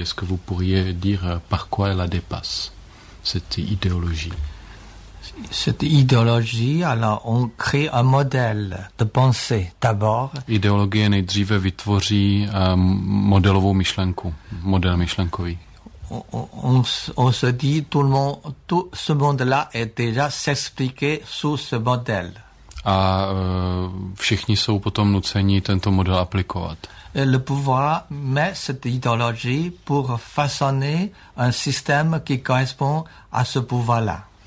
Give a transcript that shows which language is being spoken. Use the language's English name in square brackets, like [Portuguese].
[French] Est-ce que vous pourriez dire par quoi elle la dépasse, cette idéologie? Cette idéologie, alors on crée un modèle de pensée d'abord. [Czech] Idéologie nejdříve vytvoří modelovou myšlenku, model myšlenkový. [French] On se dit tout ce monde-là est déjà s'expliqué sous ce modèle. [Czech] A všichni jsou potom nuceni tento model aplikovat. [French] Le pouvoir met cette idéologie pour façonner un système qui correspond à ce pouvoir-là.